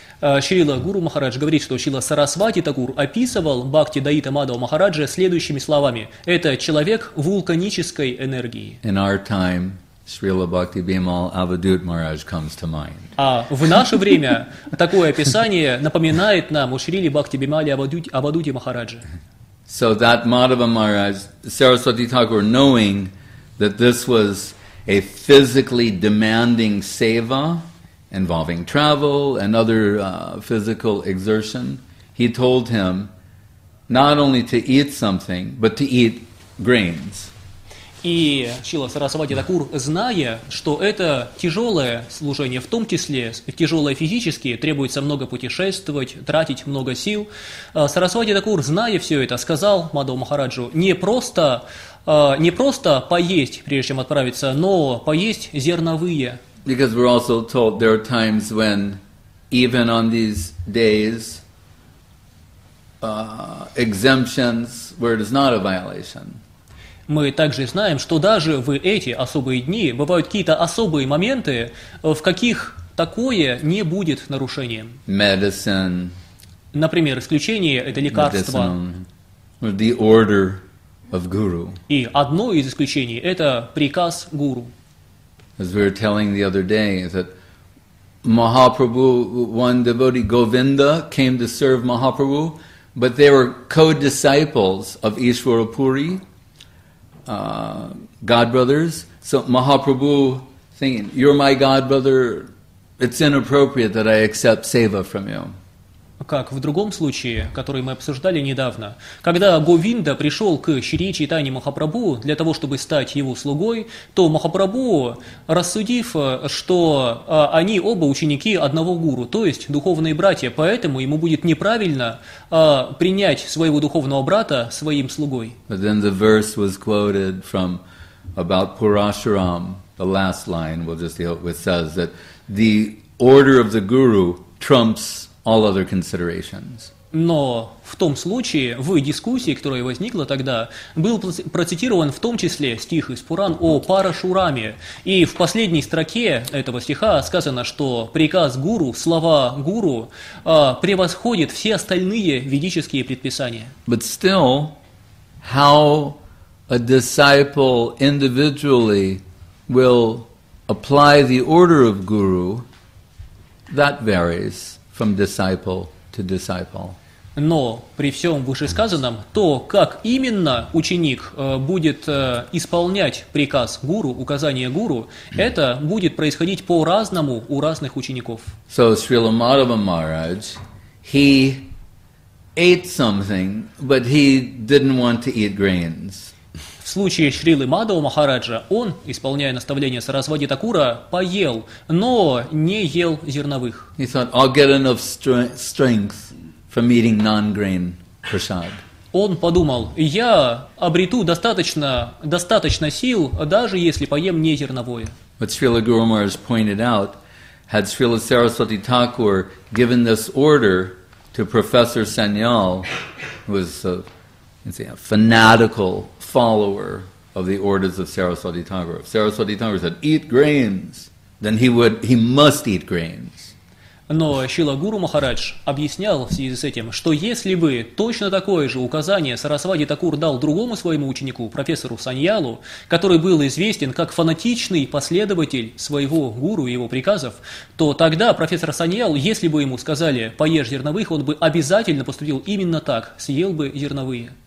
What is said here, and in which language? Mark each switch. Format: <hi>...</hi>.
<ru>Шрила Гуру Махарадж говорит, что Шрила Сарасвати Такур описывал Бхакти Даита Мадхава Махараджа следующими словами. Это человек вулканической энергии.</ru> <en>In our time, Шрила Бхакти Бимал Авадут Махарадж comes to mind.</en> <ru>А в наше время такое описание напоминает нам у Шрили Бхакти Бимали Авадути Махараджа.</ru> <en>So that Madhava Maharaj, Saraswati Thakur, knowing that this was a physically demanding seva, involving travel and other physical exertion, he told him not only to eat something, but to eat grains.</en> <ru>И Шрила Сарасвати Такур, зная, что это тяжелое служение, в том числе тяжелое физически, требуется много путешествовать, тратить много сил, Сарасвати Такур, зная все это, сказал Мадхава Махараджу, не просто поесть, прежде чем отправиться, но поесть зерновые.</ru> <en>Because we're also told there are times when, even on these days, exemptions where it is not a violation.</en> <ru>Мы также знаем, что даже в эти особые дни бывают какие-то особые моменты, в каких такое не будет нарушением.</ru> <en>Medicine.</en> <ru>Например, исключение – это лекарство.</ru> <en>Or the order of guru.</en> <ru>И одно из исключений – это приказ гуру.</ru> <en>As we were telling the other day, that Mahaprabhu, one devotee, Govinda, came to serve Mahaprabhu, but they were co-disciples of Ishwarapuri, godbrothers. So Mahaprabhu thinking, you're my godbrother, it's inappropriate that I accept seva from you.</en> <ru>Как в другом случае, который мы обсуждали недавно, когда Говинда пришел к Шри Чайтанье Махапрабху для того, чтобы стать его слугой, то Махапрабху, рассудив, что они оба ученики одного гуру, то есть духовные братья, поэтому ему будет неправильно принять своего духовного брата своим слугой.</ru> <en>But then the verse was quoted from about Purashuram, the last line, we'll just deal with, says that the order of the guru trumps all other considerations.</en> <ru>Но в том случае, в дискуссии, которая возникла тогда, был процитирован в том числе стих из Пуран о Парашураме. И в последней строке этого стиха сказано, что приказ гуру, слова гуру, превосходит все остальные ведические предписания.</ru> <en>But still, how a disciple individually will apply the order of guru, that varies from disciple to disciple.</en> <ru>Но при всем вышесказанном, то, как именно ученик будет исполнять приказ гуру, указание гуру, это будет происходить по-разному у разных учеников.</ru> <en>So Srila Madhava Maharaj, he ate something, but he didn't want to eat grains.</en> <ru>В случае Шрилы Мадхава Махараджа, он, исполняя наставление Сарасвати Такура, поел, но не ел зерновых.</ru> <en>He thought, I'll get enough strength. From eating non-grain prasad.</en> <ru>Он подумал, я обрету достаточно сил, даже если поем не зерновое.</ru> <en>But Srila Guru Maharaj pointed out, had Srila Saraswati Thakur given this order to Professor Sanyal, who was a fanatical follower of the orders of Saraswati Thakur. If Saraswati Thakur said, eat grains, then he must eat grains.</en> <ru>Но Шрила Гуру Махарадж объяснял в связи с этим, что если бы точно такое же указание Сарасвати Такур дал другому своему ученику, профессору Саньялу, который был известен как фанатичный последователь своего гуру и его приказов, то тогда профессор Саньял, если бы ему сказали «поешь зерновых», он бы обязательно поступил именно так, съел бы зерновые.</ru>